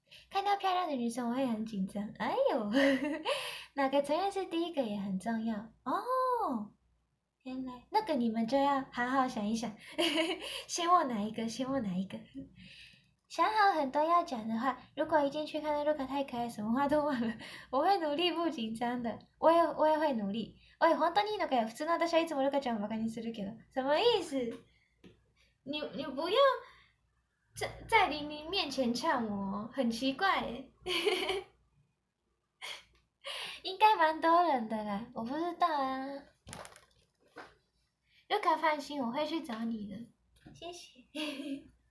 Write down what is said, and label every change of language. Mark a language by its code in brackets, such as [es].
[zh] 看到漂亮的女生我会很紧张，哎呦，哪个成员是第一个也很重要哦。原来那个你们就要好好想一想，先握哪一个。想好很多要讲的话，如果一进去看到露卡太可爱，什么话都忘了，我会努力不紧张的。我也会努力。 [ja] 喂，本当にいいのかよ。普通の私はいつもルカちゃんをバカにするけど。 [zh] 什么意思？你不要在玲玲面前呛我，很奇怪耶。应该蛮多人的啦，我不知道啊。露卡放心，我会去找你的。谢谢。